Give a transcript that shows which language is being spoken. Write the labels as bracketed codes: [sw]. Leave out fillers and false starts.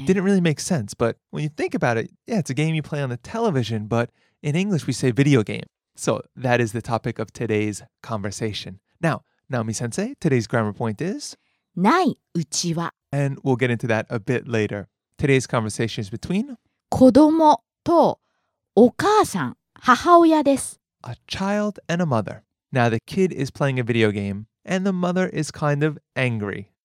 [en] It didn't really make sense. But when you think about it, yeah, it's a game you play on the television. But in English, we say video game. So that is the topic of today's conversation. Now, Naomi sensei, today's grammar point is... [ja] ないうちは。 [en] And we'll get into that a bit later. Today's conversation is between [ja] 子供とお母さん、母親です。 [en] A child and a mother. Now the kid is playing a video game and the mother is kind of angry.